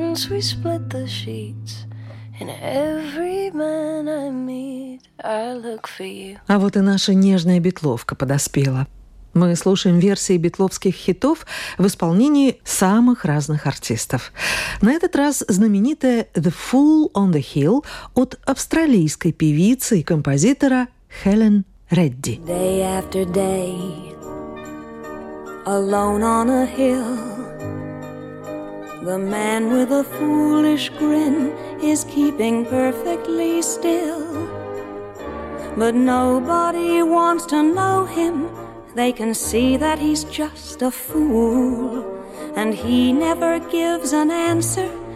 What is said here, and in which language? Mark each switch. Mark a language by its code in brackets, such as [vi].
[en] We split the sheets, and every man I meet, I look for you. [ru] А вот и наша нежная битловка подоспела. Мы слушаем версии битловских хитов в исполнении самых разных артистов. На этот раз знаменитая «The Fool on the Hill» от австралийской певицы и композитора Хелен Редди. [en] Day after day, alone on a hill, the man with a foolish grin is keeping perfectly still. But nobody wants to know him. They can see that he's just a fool, and he never gives an answer.